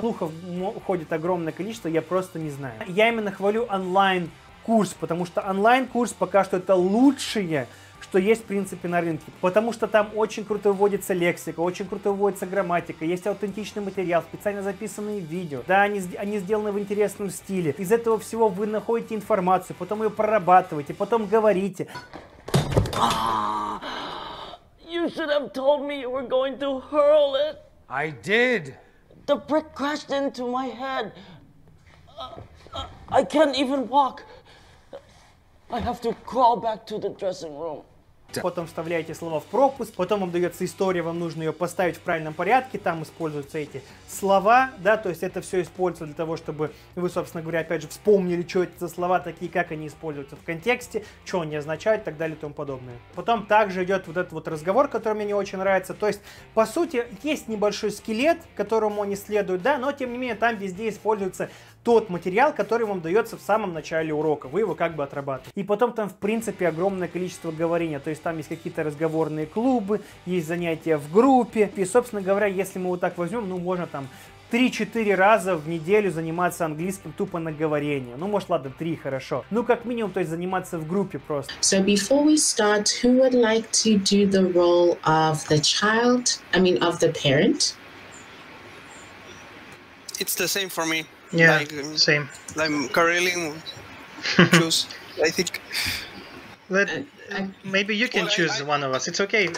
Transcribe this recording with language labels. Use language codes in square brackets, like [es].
[ru] Слухов уходит огромное количество, я просто не знаю. Я именно хвалю онлайн-курс, потому что онлайн-курс пока что это лучшее, что есть, в принципе, на рынке. Потому что там очень круто выводится лексика, очень круто выводится грамматика, есть аутентичный материал, специально записанные видео. Да, они сделаны в интересном стиле. Из этого всего вы находите информацию, потом ее прорабатываете, потом говорите. [en] You should have told me you were going to hurl it. I did. The brick crashed into my head. I can't even walk. I have to crawl back to the dressing room. [ru] Потом вставляете слова в пропуск, потом вам дается история, вам нужно ее поставить в правильном порядке, там используются эти слова, да, то есть это все используется для того, чтобы вы, собственно говоря, опять же вспомнили, что это за слова такие, как они используются в контексте, что они означают и так далее и тому подобное. Потом также идет вот этот вот разговор, который мне не очень нравится, то есть, по сути, есть небольшой скелет, которому они следуют, да, но, тем не менее, там везде используется тот материал, который вам дается в самом начале урока. Вы его как бы отрабатываете. И потом там, в принципе, огромное количество говорения. То есть там есть какие-то разговорные клубы, есть занятия в группе. И, собственно говоря, если мы вот так возьмем, ну, можно там 3-4 раза в неделю заниматься английским тупо на говорение. Ну, может, ладно, 3, хорошо. Ну, как минимум, то есть заниматься в группе просто. [en] So before we start, who would like to do the role of the child, I mean, of the parent? It's the same for me. Yeah, like, same. I'm currently choose. I think. Let maybe you can well, choose I, one of us. It's okay.